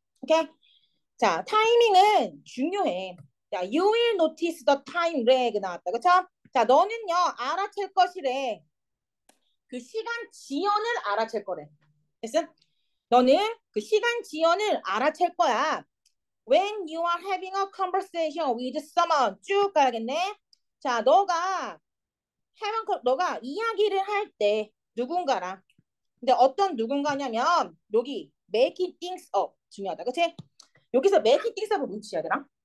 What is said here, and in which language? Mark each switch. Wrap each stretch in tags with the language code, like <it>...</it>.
<ko>오케이? 자, 타이밍은 중요해. 야,</ko> <en>you will notice the time lag</en> <ko>나왔다. 그쵸? 자, 너는요, 알아챌 것이래. 그 시간 지연을 알아챌 거래. 됐어? 너는 그 시간 지연을 알아챌 거야.</ko> <en>When you are having a conversation with someone.</en> <ko>쭉 가야겠네. 자, 너가 이야기를 할 때, 누군가랑. 근데 어떤 누군가냐면, 여기,</ko> <en>making things up.</en> <ko>중요하다. 그치? 여기서</ko> <en>making things up</en> <ko>은 뭔지 알아?</ko>